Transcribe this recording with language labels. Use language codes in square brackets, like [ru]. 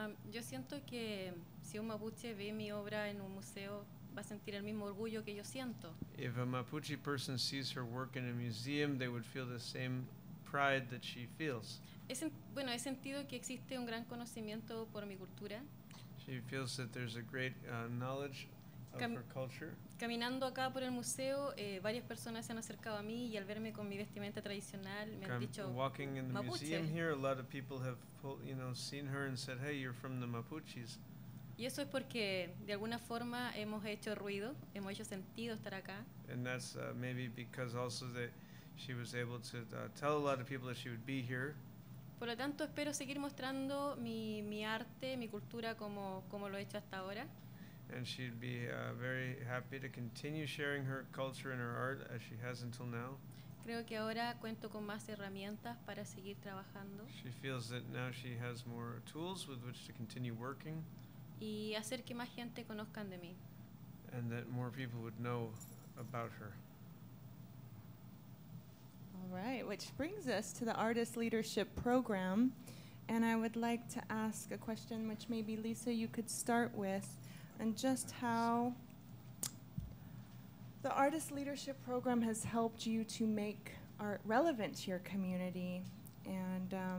[es] Yo siento que si un Mapuche ve mi obra en un museo, va a sentir el mismo orgullo que yo siento. [en] If a Mapuche person sees her work in a museum, they would feel the same pride that she feels. [es] Bueno, he sentido que existe un gran conocimiento por mi cultura. [en] She feels that there's a great knowledge of her culture. [es] Caminando acá por el museo, varias personas se han acercado a mí y al verme con mi vestimenta tradicional me han dicho Mapuche. [en] Walking in the museum here, a lot of people have seen her and said, "Hey, you're from the Mapuches." [es] Y eso es porque de alguna forma hemos hecho ruido, hemos hecho sentido estar acá. [en] And that's maybe because also that she was able to tell a lot of people that she would be here. [es] Por lo tanto, espero seguir mostrando mi arte, mi cultura, como lo he hecho hasta ahora. [en] And she'd be very happy to continue sharing her culture and her art as she has until now. [es] Creo que ahora cuento con más herramientas para seguir trabajando. [en] She feels that now she has more tools with which to continue working. [es] Y hacer que más gente conozcan de mí. [en] And that more people would know about her. Right, which brings us to the Artist Leadership Program. And I would like to ask a question which maybe Lisa you could start with, and just how the Artist Leadership Program has helped you to make art relevant to your community. And